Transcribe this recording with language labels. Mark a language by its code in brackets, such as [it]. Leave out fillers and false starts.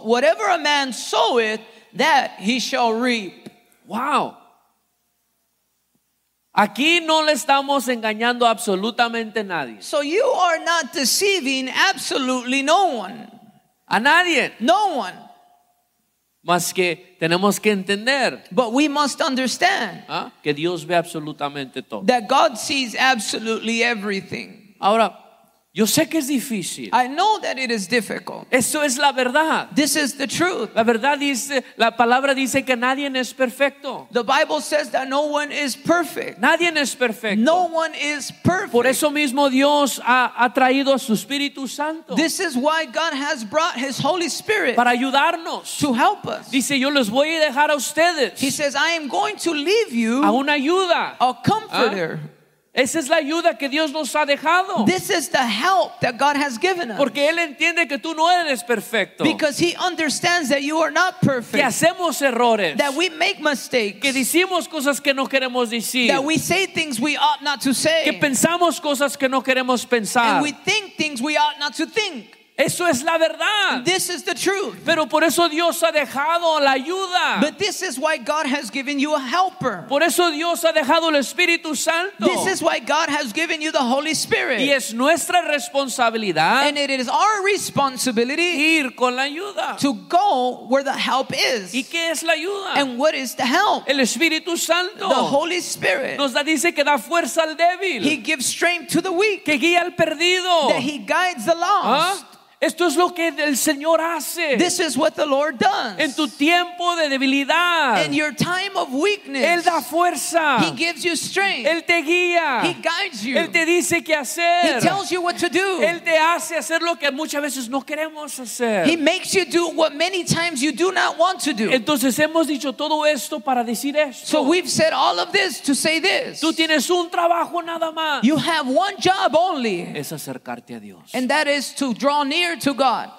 [en] Whatever a man soweth, that he shall reap. Wow. [es] Aquí no le estamos engañando absolutamente a nadie. [en] So you are not deceiving absolutely no one. [es] A nadie. [en] No one. [es] Más que tenemos que entender. [en] But we must understand. [es] ¿Ah? Que Dios ve absolutamente todo. [en] That God sees absolutely everything. [es] Ahora, yo sé que es difícil. [en] I know that it is difficult. [es] Eso es la verdad. [en] This is the truth. [es] La verdad dice, la palabra dice que nadie es perfecto. [en] The Bible says that no one is perfect. [es] Nadie es perfecto. [en] No one is perfect. [es] Por eso mismo Dios ha traído a su Espíritu Santo. [en] This is why God has brought his Holy Spirit. [es] Para ayudarnos. [en] To help us. [es] Dice, yo los voy a dejar a ustedes. [en] He says, I am going to leave you. [es] A una ayuda. [en] A comforter. ¿Ah? [es] Esa es la ayuda que Dios nos ha dejado. [en] This is the help that God has given us. [es] Porque él entiende que tú no eres perfecto. [en] Because he understands that you are not perfect. [es] Que hacemos errores. [en] That we make mistakes. [es] Que decimos cosas que no queremos decir. [en] That we say things we ought not to say. [es] Que pensamos cosas que no queremos pensar. [en] And we think things we ought not to think. [es] Eso es la verdad. [en] This is the truth. [es] Pero por eso Dios ha dejado la ayuda. [en] But this is why God has given you a helper. [es] Por eso Dios ha dejado el Espíritu Santo. [en] This is why God has given you the Holy Spirit. [es] Y es nuestra responsabilidad. [en] And it is our responsibility. [es] Ir con la ayuda. [en] To go where the help is. [es] ¿Y qué es la ayuda? [en] And what is the help? [es] El Espíritu Santo. [en] The Holy Spirit. [es] Nos da, dice que da fuerza al débil. [en] He gives strength to the weak. [es] Que guía al perdido. [en] That he guides the lost. [es] ¿Ah? Esto es lo que el Señor hace. [en] This is what the Lord does. [es] En tu tiempo de debilidad. [en] In your time of weakness. [es] Él da fuerza. [en] He gives you strength. [es] Él te guía. [en] He guides you. [es] Él te dice qué hacer. [en] He tells you what to do. [es] Él te hace hacer lo que muchas veces no queremos hacer. [en] He makes you do what many times you do not want to do. [es] Entonces hemos dicho todo esto para decir esto. [en] So we've said all of this to say this. [es] Tú tienes un trabajo nada más. [en] You have one job only. [es] Es acercarte a Dios. [en] And that is to draw near to God.